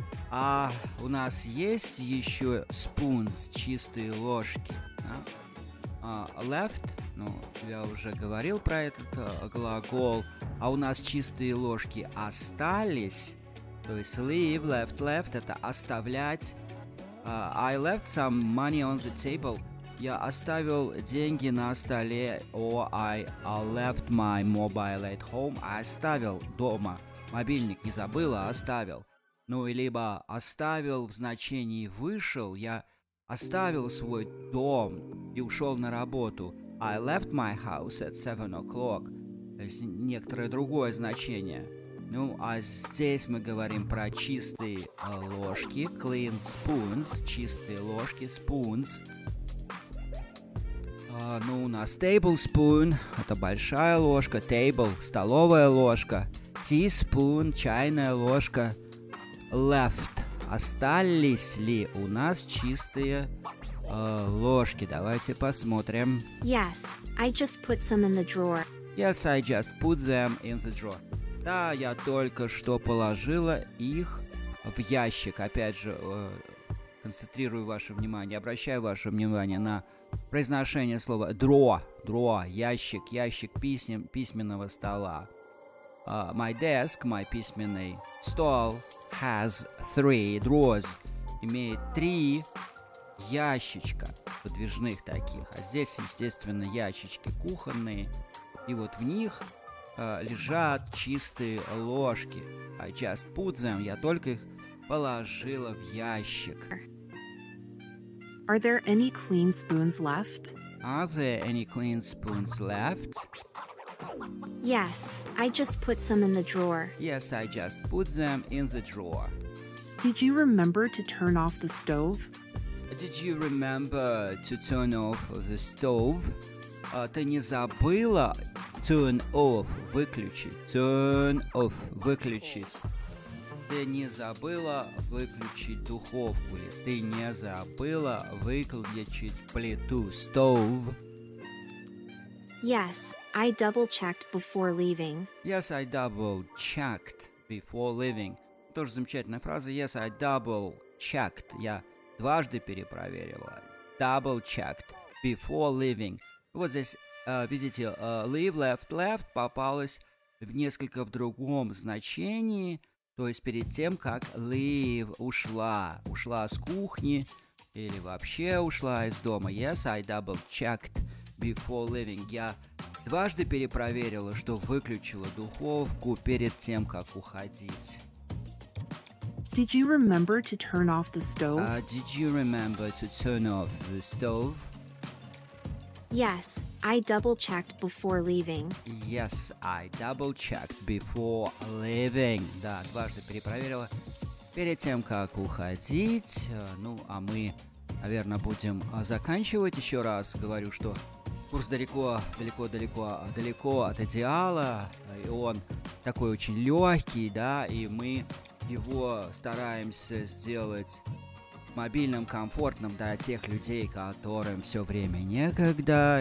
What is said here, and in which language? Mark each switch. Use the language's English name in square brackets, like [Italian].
[Russian] А у нас есть еще spoons, чистые ложки, да? Left, ну, я уже говорил про этот глагол. А у нас чистые ложки остались, то есть leave, left, left — это оставлять. [English] I left some money on the table. [Russian] Я оставил деньги на столе. [English] Oh, I left my mobile at home. [Russian] Оставил дома мобильник, не забыл, а оставил. Ну, либо оставил в значении вышел. Я оставил свой дом и ушел на работу. [English] I left my house at 7 o'clock. [Russian] То есть некоторое другое значение. Ну, а здесь мы говорим про чистые ложки. [English] Clean spoons. [Russian] Чистые ложки. [English] Spoons. [Russian] Ну, у нас tablespoon. Это большая ложка. Table. Столовая ложка. Teaspoon. Чайная ложка. Left. Остались ли у нас чистые ложки? Давайте посмотрим. [English] Yes, I just put some in the drawer. Yes, I just put them in the drawer. [Russian] Да, я только что положила их в ящик. Опять же, концентрирую ваше внимание, обращаю ваше внимание на произношение слова drawer. Drawer, ящик, ящик письменного стола. [English] My desk, my [Russian] письменный стол, [English] has three drawers. [Russian] Имеет три ящичка подвижных таких. А здесь, естественно, ящички кухонные. И вот в них лежат чистые ложки. [English] I just put them. [Russian] Я только их положила в ящик. [English] Are there any clean spoons left? Are there any clean spoons left? Yes, I just put some in the drawer. Yes, I just put them in the drawer. Did you remember to turn off the stove? Did you remember to turn off the stove? [Russian] Ты не забыла turn off, выключить. [English] Turn off, выключить. [Russian] Ты не забыла выключить духовку. Или ты не забыла выключить плиту, stove. [English] Yes, I double checked before leaving. Yes, I double checked before leaving. [Russian] Тоже замечательная фраза. [English] Yes, I double checked. [Russian] Я дважды перепроверила. [English] Double checked before leaving. [Russian] Вот здесь, видите, leave, left, left попалось в несколько в другом значении, то есть перед тем, как leave ушла, ушла с кухни или вообще ушла из дома. [English] Yes, I double-checked before leaving. [Russian] Я дважды перепроверила, что выключила духовку перед тем, как уходить. [English] Did you remember to turn off the stove? Did you remember to turn off the stove? Yes, I double-checked before leaving. Yes, I double-checked before leaving. [Russian] Да, дважды перепроверила перед тем, как уходить. Ну, а мы, наверное, будем заканчивать. Еще раз говорю, что курс далеко, далеко, далеко, далеко от идеала. И он такой очень легкий, да, и мы его стараемся сделать мобильным, комфортным для тех людей, которым все время некогда.